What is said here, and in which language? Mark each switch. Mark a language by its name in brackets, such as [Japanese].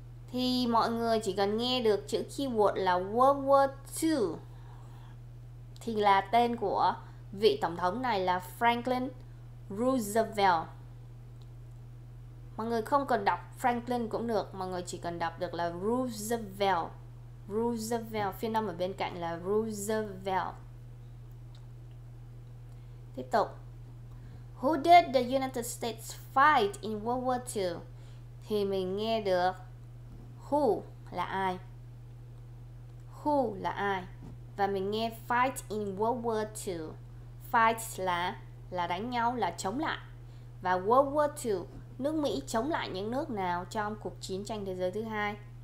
[Vietnamese] Thì mọi người chỉ cần nghe được chữ keyword là World War II thì là tên của vị tổng thống này là Franklin Roosevelt. Mọi người không cần đọc Franklin cũng được, mọi người chỉ cần đọc được là Roosevelt. Roosevelt, phiên âm ở bên cạnh là Roosevelt. Tiếp tục. [English] Who did the United States fight in World War II? [Vietnamese] Thì mình nghe được who là ai? Who là ai? Và mình nghe fight in World War II. Fight là đánh nhau, là chống lại. Và World War II, nước Mỹ chống lại những nước nào trong cuộc chiến tranh thế giới thứ hai?